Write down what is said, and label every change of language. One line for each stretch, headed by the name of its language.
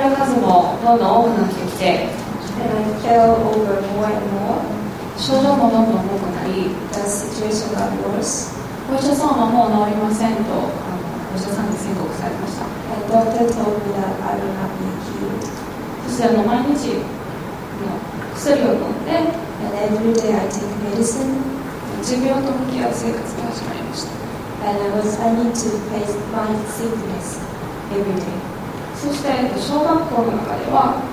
Japanese: 数もどんどん多くなってきて、
English: and I fell over more and more.
Japanese: 症状もどんどん多くなり、
English: the situation got worse.
Japanese: お医者さんはもう治りませんと、お医者さんに宣告されました。
English: The doctor told me that I will not be healed.
Japanese: そして毎日の薬を飲んで、
English: and every day I take medicine.
Japanese: 持病と向き合う生活が始まりました。
English: And I was having to face my sickness every day.
Japanese: そして小学校の中では、